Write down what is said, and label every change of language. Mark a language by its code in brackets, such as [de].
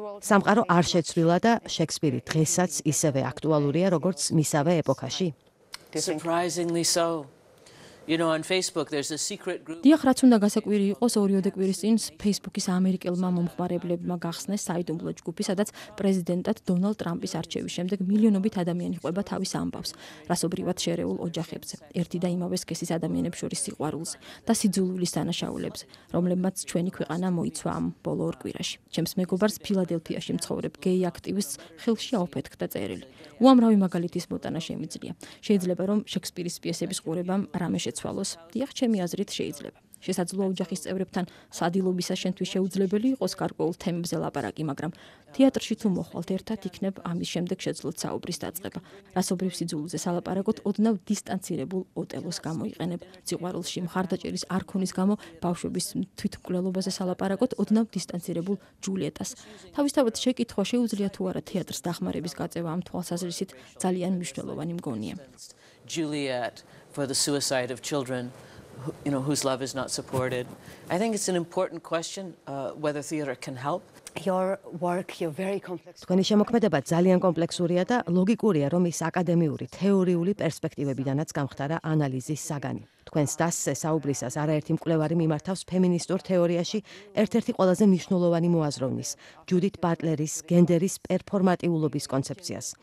[ka] სამყარო არ შეცვლილა და შექსპირი დღესაც ისევე აქტუალურია როგორც მისავე ეპოქაში. [en] Surprisingly so. You know, on Facebook there's a secret group. [ka] დიახ, რაც უნდა გასაკვირი იყოს, 2 ოქტომბრის წინ Facebook-ის ამერიკელმა მომხმარებლებმა გახსნეს საიდუმლო ჯგუფი, სადაც პრეზიდენტად დონალდ ტრამპის არჩევის შემდეგ მილიონობით ადამიანი ყვება თავის ამბავს, რასობრივად შერეულ ოჯახებზე, ერთი და იმავე სქესის ადამიანებს შორის სიყვარულზე და სიძულვილის დანაშაულებზე, რომლებმაც ჩვენი ქვეყანა მოიცვა ამ ბოლო ორ კვირაში. ჩემს მეგობარს ფილადელფიაში მცხოვრებ გეი აქტივისტს ხელში აუფეთქდა წერილი. უამრავი მაგალითის მოტანა შემიძლია. შეიძლება რომ შექსპირის პიესების ყურებამ რამე შეცვალოს. დიახ, ჩემი აზრით შეიძლება. შესაძლოა ოჯახის წევრებთან სადილობისას შენთვის შეუძლებელი იყოს გარკვეულ თემებზე ლაპარაკი, მაგრამ თეატრში თუ მოხვალთ, ერთად იქნებ ამის შემდეგ შეძლოთ საუბრის დაწყება. რასობრივ სიძულვილზე სალაპარაკოთ, ოდნავ დისტანცირებულ ოტელოს გამოიყენებ. სიყვარულში მხარდაჭერის არქონის გამო ბავშვების თვითმკვლელობაზე სალაპარაკოთ, ოდნავ დისტანცირებულ ჯულიეტას. თავისთავად შეკითხვა შეუძლია თუ არა თეატრს დახმარების გაწევა ამ თვალსაზრისით ძალიან მნიშვნელოვანი მგონია. [en] Juliet for the suicide of children, you know, whose love is not supported. I think it's an important question whether theater can help. Your work, you're very complex. [ka] თქვენი შემოქმედება ძალიან კომპლექსურია და ლოგიკურია, რომ ის აკადემიური, თეორიული პერსპექტივებიდანაც გამხდარა ანალიზის საგანი. თქვენს დასს საუბრისას არაერთი მკვლევარი მიმართავს ფემინისტურ თეორიაში ერთ-ერთი ყველაზე მნიშვნელოვანი მოაზროვნის, ჯუდით ბატლერის გენდერის პერფორმატიულობის კონცეფციას.